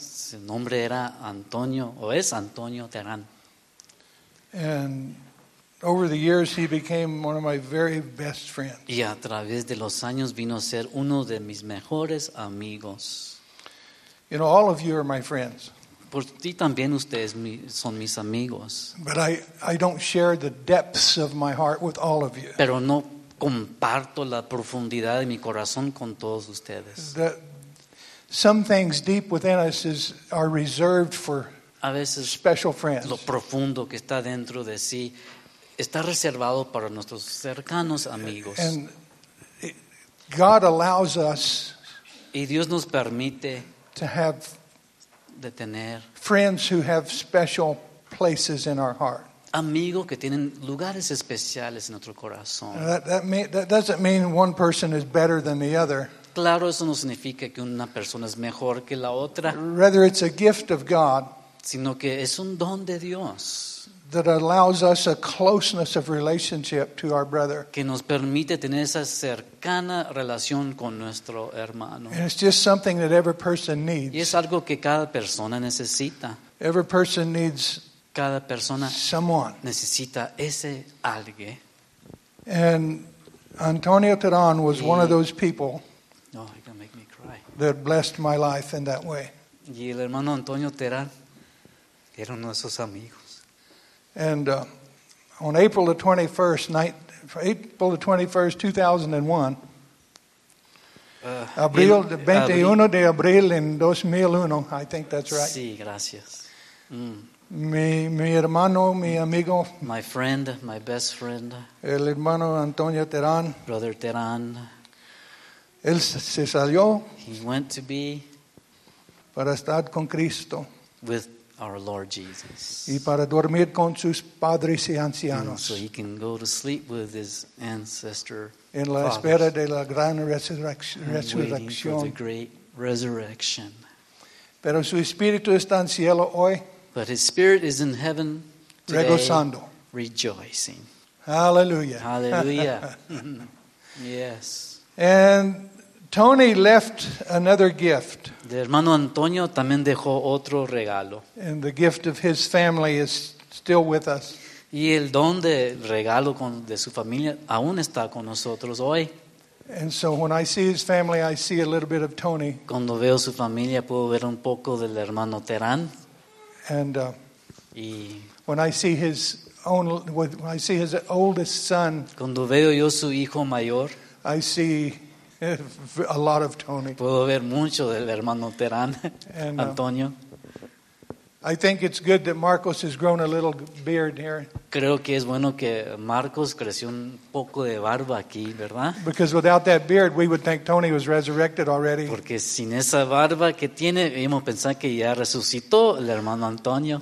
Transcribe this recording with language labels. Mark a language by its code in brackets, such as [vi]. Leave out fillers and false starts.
[es] Su nombre era Antonio, o es Antonio Terán. [en] And over the years, he became one of my very best friends. [es] Y a través de los años vino a ser uno de mis mejores amigos. [en] You know, all of you are my friends. [es] Por ti también ustedes son mis amigos. [en] But I don't share the depths of my heart with all of you. [es] Pero no comparto la profundidad de mi corazón con todos ustedes. [en] Some things deep within us are reserved for special friends. [es] Lo profundo que está dentro de sí está reservado para nuestros cercanos amigos. [en] And God allows us. [es] Y Dios nos permite [en] to have [es] de tener [en] friends who have special places in our heart. [es] Amigos que tienen lugares especiales en nuestro corazón. [en] That doesn't mean one person is better than the other. [es] Claro, eso no significa que una persona es mejor que la otra. [en] Rather, it's a gift of God. [es] Sino que es un don de Dios. [en] That allows us a closeness of relationship to our brother. [es] Que nos permite tener esa cercana relación con nuestro hermano. [en] And it's just something that every person needs. [es] Y es algo que cada persona necesita. [en] Every person needs [es] cada persona [en] someone. [es] Necesita ese alguien. [en] And Antonio Terán was [es] y, [en] one of those people. Oh, you're gonna make me cry. That blessed my life in that way. [es] Y el hermano Antonio Terán era uno de esos amigos. [en] And on April the 21st, 2001, [es] abril, 21 de abril en 2001, [en] I think that's right. [es] Sí, gracias. Mi hermano, mi amigo. [en] My friend, my best friend. [es] El hermano Antonio Terán. [en] Brother Terán. [es] Él se salió. [en] He went to be. [es] Para estar con Cristo. [en] With our Lord Jesus. [es] Y para dormir con sus padres y ancianos. [en] So he can go to sleep with his ancestor. [es] En la [en] fathers. [es] Espera de la gran resurrección. [en] Waiting for the great resurrection. [es] Pero su espíritu está en cielo hoy. [en] But his spirit is in heaven today. [es] Regozando. [en] Rejoicing. Hallelujah. Hallelujah. Yes. And Tony left another gift. [es] El hermano Antonio también dejó otro regalo. [en] And the gift of his family is still with us. [es] Y el don de regalo de su familia aún está con nosotros hoy. [en] And so when I see his family, I see a little bit of Tony. [es] Cuando veo su familia puedo ver un poco del hermano Terán. [en] And [es] y [en] when I see his own, when I see his oldest son, [es] cuando veo yo su hijo mayor, [en] I see a lot of Tony. [es] Puedo ver mucho del hermano Terán, and, Antonio. [en] I think it's good that Marcos has grown a little beard here. [es] Creo que es bueno que Marcos creció un poco de barba aquí, ¿verdad? [en] Because without that beard, we would think Tony was resurrected already. [es] Porque sin esa barba que tiene, íbamos a pensar que ya resucitó el hermano Antonio.